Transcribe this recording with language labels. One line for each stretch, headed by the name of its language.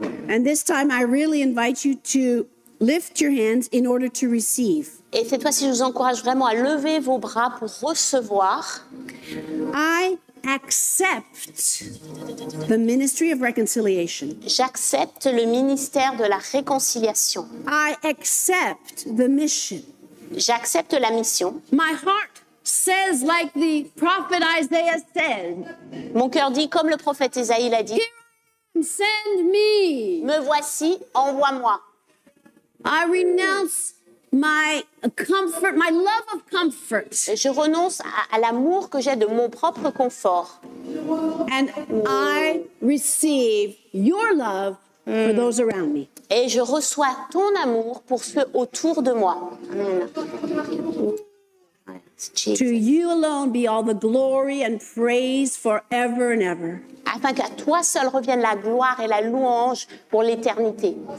English: And this time, I really invite you to lift your hands in order to receive.
French: Et cette fois-ci, je vous encourage vraiment à lever vos bras pour recevoir.
English: I accept the ministry of reconciliation.
French: J'accepte le ministère de la réconciliation.
English: I accept the mission.
French: J'accepte la mission.
English: My heart says like the prophet Isaiah said.
French: Mon cœur dit comme le prophète Isaïe l'a dit.
English: Send me.
French: Me voici, envoie-moi.
English: I renounce my comfort, my love of comfort.
French: Je renonce à l'amour que j'ai de mon propre confort.
English: And I receive your love for those around me.
French: Et je reçois ton amour pour ceux autour de moi.
English: To you alone be all the glory and praise forever and ever.
French: Afin qu'à toi seul revienne la gloire et la louange pour l'éternité.